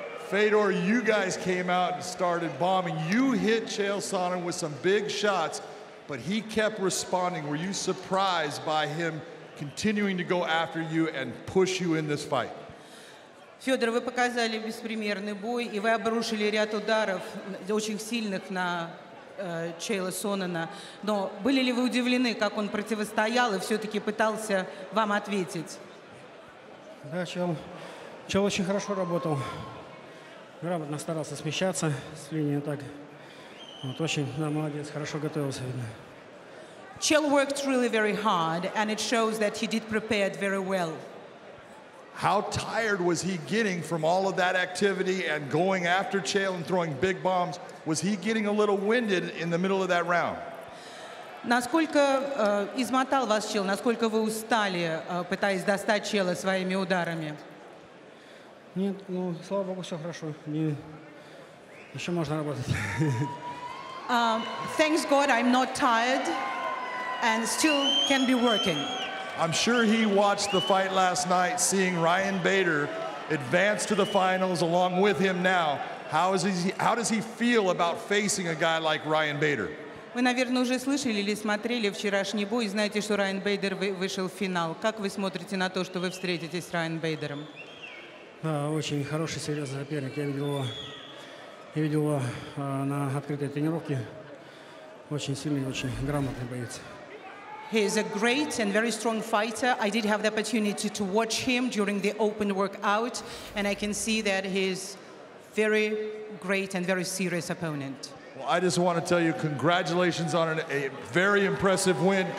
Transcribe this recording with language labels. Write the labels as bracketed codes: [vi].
[en] Fedor, you guys came out and started bombing. You hit Chael Sonnen with some big shots, but he kept responding. Were you surprised by him continuing to go after you and push you in this fight? [ru] Федор, вы показали беспримерный бой, и вы обрушили ряд ударов очень сильных на Чейла Сонена. Но были ли вы удивлены, как он противостоял и все-таки пытался вам ответить? Да, Чел очень хорошо работал. Грамотно старался смещаться с линии так. Вот очень, да, молодец, хорошо готовился, видно. [en] Chael worked really very hard, and it shows that he did prepare very well. How tired was he getting from all of that activity and going after Chael and throwing big bombs? Was he getting a little winded in the middle of that round? [ru] Насколько измотал вас Чел, насколько вы устали, пытаясь достать Чела своими ударами? Нет, ну, слава богу, все хорошо. Не... Еще можно работать. [en] Thanks God, I'm not tired and still can be working. I'm sure he watched the fight last night, seeing Ryan Bader advance to the finals along with him now. How does he feel about facing a guy like Ryan Bader? [ru] Вы, наверное, уже слышали или смотрели вчерашний бой и знаете, что Ryan Bader вышел в финал. Как вы смотрите на то, что вы встретитесь с Ryan Bader? Очень хороший, серьезный соперник. Я видел его на открытой тренировке. Очень сильный, очень грамотный боец. [en] He is a great and very strong fighter. I did have the opportunity to watch him during the open workout, and I can see that he is very great and very serious opponent. Well, I just want to tell you congratulations on a very impressive win.